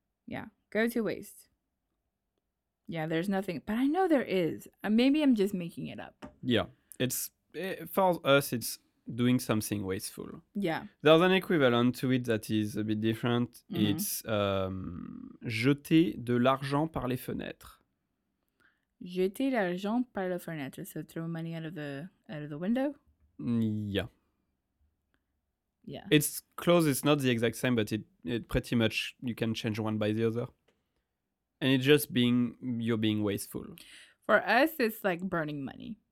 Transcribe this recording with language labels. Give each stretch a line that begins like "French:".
English: Yeah, go to waste. Yeah, there's nothing, but I know there is. Maybe I'm just making it up. Yeah, for us, it's doing something wasteful. Yeah. There's an equivalent to it that is a bit different. Mm-hmm. It's
French: jeter de l'argent par les fenêtres. Jeter l'argent par les fenêtres.
English: So throw money out of the window? Yeah. Yeah. It's close, it's not the exact same, but it pretty much, you can change one by the other. And it's just you're being wasteful. For us, it's like burning money.